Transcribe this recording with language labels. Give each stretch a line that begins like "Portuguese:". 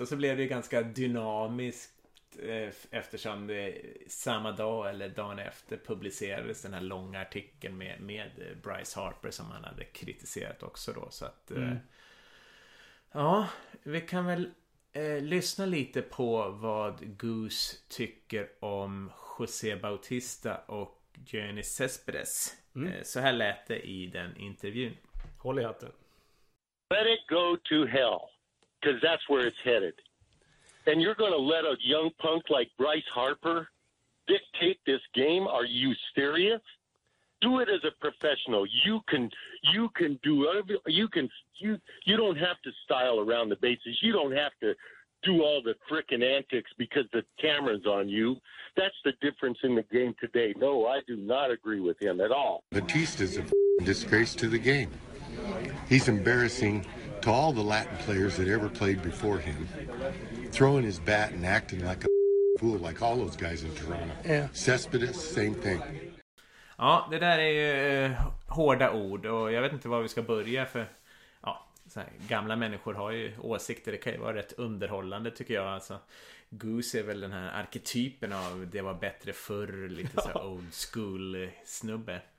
Swedish: Och så blev det ju ganska dynamiskt eftersom det samma dag eller dagen efter publicerades den här långa artikeln med Bryce Harper som han hade kritiserat också. Då, så att, ja, vi kan väl lyssna lite på vad Goose tycker om José Bautista och Johnny Cespedes. Så här lät det i den intervjun. Håll i hatten.
English: Let it go to hell, because that's where it's headed. And you're going to let a young punk like Bryce Harper dictate this game? Are you serious? Do it as a professional. You can do you don't have to style around the bases. You don't have to do all the frickin' antics because the camera's on you. That's the difference in the game today. No, I do not agree with him at all. Batista's a f***ing disgrace to the game. He's embarrassing to all the Latin players that ever played before him. Throwing his bat and acting like a f***ing fool like all those guys in Toronto. Yeah. Cespedes, same thing.
Swedish: Ja, det där är ju hårda ord och jag vet inte var vi ska börja, för ja, så här, gamla människor har ju åsikter, det kan ju vara rätt underhållande tycker jag. Alltså, Goose är väl den här arketypen av det var bättre förr, lite så här old school snubbe.